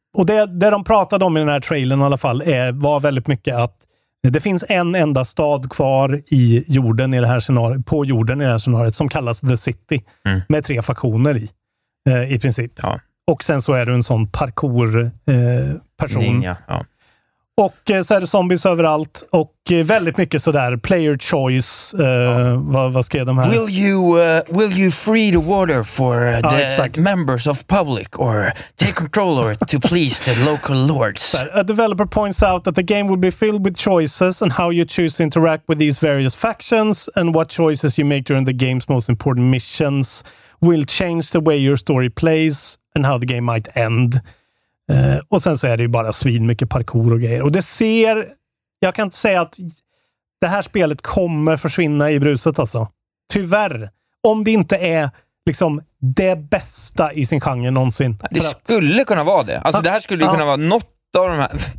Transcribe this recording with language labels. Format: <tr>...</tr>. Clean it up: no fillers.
<sv>Och det de pratade om i den här trailern i alla fall var väldigt mycket att det finns en enda stad kvar i jorden i det här scenariot, på jorden i det här scenariot, som kallas The City, med 3 faktioner i princip. Ja. Och sen så är du en sån parkour-person. Ja. Och så är det zombies överallt och väldigt mycket sådär player choice. Vad skrev de här?</sv> <en>Will you free the water for members of public or take control or to please the local lords? A developer points out that the game will be filled with choices and how you choose to interact with these various factions and what choices you make during the game's most important missions will change the way your story plays and how the game might end.</en> <sv>Och sen så är det ju bara svin mycket parkour och grejer. Och det ser... Jag kan inte säga att det här spelet kommer försvinna i bruset alltså. Tyvärr. Om det inte är liksom det bästa i sin genre någonsin. Det skulle kunna vara det. Alltså det här skulle ju kunna vara något av de här...</sv>